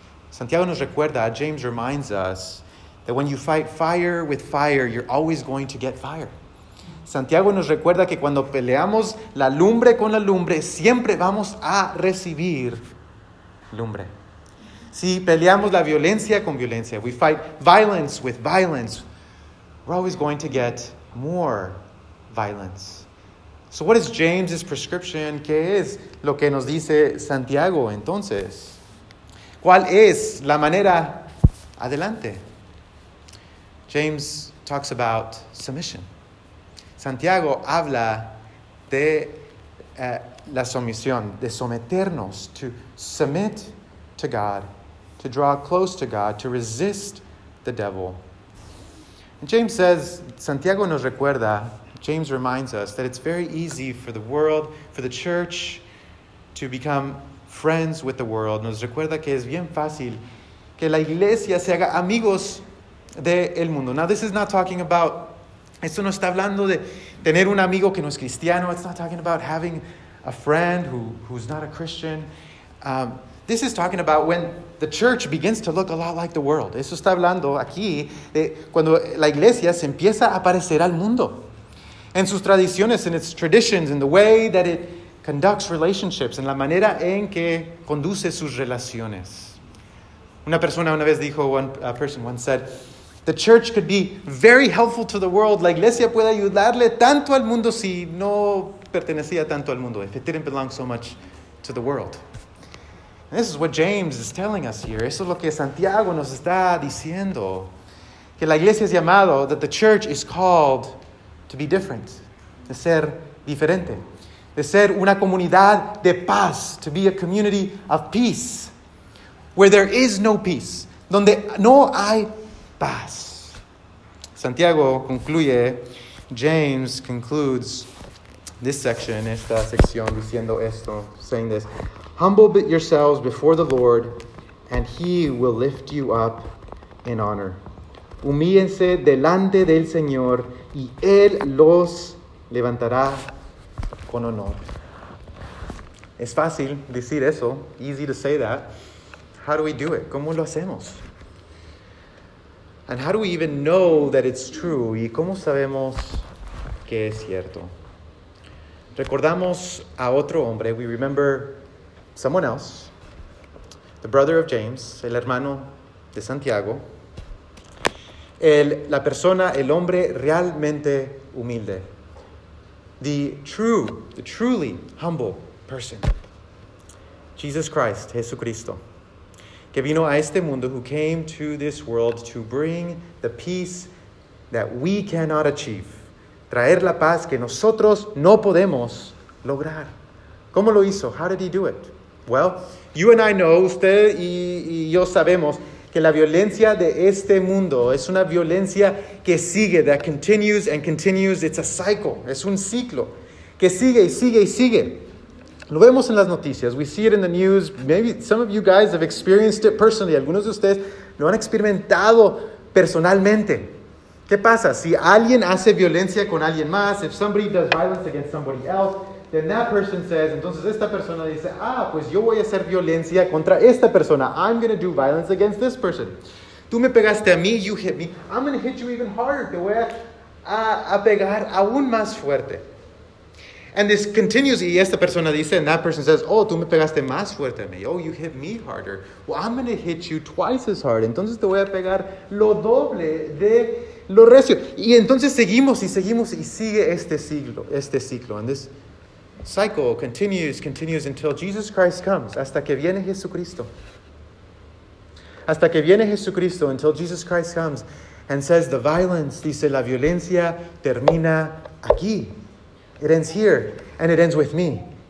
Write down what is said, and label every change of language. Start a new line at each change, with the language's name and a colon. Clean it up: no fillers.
Spanish: Santiago nos recuerda,
English: James reminds us, that when you fight fire with fire, you're always going to get fire.
Spanish: Santiago nos recuerda que cuando peleamos la lumbre con la lumbre, siempre vamos a recibir lumbre. Si peleamos la violencia con violencia,
English: we fight violence with violence, we're always going to get more violence. So what is James's prescription?
Spanish: ¿Qué es lo que nos dice Santiago entonces? ¿Cuál es la manera adelante?
English: James talks about submission.
Spanish: Santiago habla de la sumisión, de someternos,
English: to submit to God, to draw close to God, to resist the devil. And James says,
Spanish: Santiago nos recuerda,
English: James reminds us that it's very easy for the world, for the church, to become friends with the world.
Spanish: Nos recuerda que es bien fácil que la iglesia se haga amigos de el mundo.
English: Now this is not talking about,
Spanish: esto no está hablando de tener un amigo que no es cristiano.
English: It's not talking about having a friend who's not a Christian. This is talking about when the church begins to look a lot like the world.
Spanish: Eso está hablando aquí de cuando la iglesia se empieza a parecer al mundo. En sus tradiciones,
English: in its traditions, in the way that it conducts relationships,
Spanish: en la manera en que conduce sus relaciones. Una persona una vez dijo,
English: a person once said, the church could be very helpful to the world.
Spanish: La iglesia puede ayudarle tanto al mundo si no pertenecía tanto al mundo.
English: If it didn't belong so much to the world. And this is what James is telling us here.
Spanish: Eso es lo que Santiago nos está diciendo. Que la iglesia es llamado,
English: that the church is called to be different.
Spanish: De ser diferente. De ser una comunidad de paz.
English: To be a community of peace. Where there is no peace.
Spanish: Donde no hay paz. Santiago concluye,
English: James concludes this section,
Spanish: esta sección, diciendo esto,
English: saying this. Humble yourselves before the Lord, and he will lift you up in honor.
Spanish: Humíllense delante del Señor, y él los levantará con honor. Es fácil decir eso,
English: easy to say that. How do we do it?
Spanish: ¿Cómo lo hacemos?
English: And how do we even know that it's true?
Spanish: ¿Y cómo sabemos que es cierto? Recordamos a otro hombre.
English: We remember someone else. The brother of James,
Spanish: el hermano de Santiago. La persona, el hombre realmente humilde.
English: The truly humble person. Jesus Christ, Jesucristo.
Spanish: Que vino a este mundo,
English: who came to this world to bring the peace that we cannot achieve.
Spanish: Traer la paz que nosotros no podemos lograr. ¿Cómo lo hizo?
English: How did he do it? Well, you and I know,
Spanish: usted y yo sabemos, que la violencia de este mundo es una violencia que sigue,
English: that continues and continues. It's a cycle,
Spanish: es un ciclo, que sigue y sigue y sigue. Lo vemos en las noticias.
English: We see it in the news. Maybe some of you guys have experienced it personally.
Spanish: Algunos de ustedes lo han experimentado personalmente. ¿Qué pasa? Si alguien hace violencia con alguien más,
English: if somebody does violence against somebody else,
Spanish: then that person says, entonces esta persona dice, ah, pues yo voy a hacer violencia contra esta persona.
English: I'm going to do violence against this person.
Spanish: Tú me pegaste a mí,
English: you hit me. I'm going to hit you even harder.
Spanish: Te voy a pegar aún más fuerte.
English: And this continues,
Spanish: y esta persona dice,
English: and that person says,
Spanish: oh, tú me pegaste más fuerte a mí.
English: Oh, you hit me harder. Well, I'm going to hit you twice as hard.
Spanish: Entonces te voy a pegar lo doble de lo recio. Y entonces seguimos y seguimos y sigue este ciclo.
English: And this cycle continues until Jesus Christ comes.
Spanish: Hasta que viene Jesucristo. Hasta que viene Jesucristo,
English: until Jesus Christ comes and says the violence,
Spanish: dice, la violencia termina aquí.
English: It ends here, and it ends with me.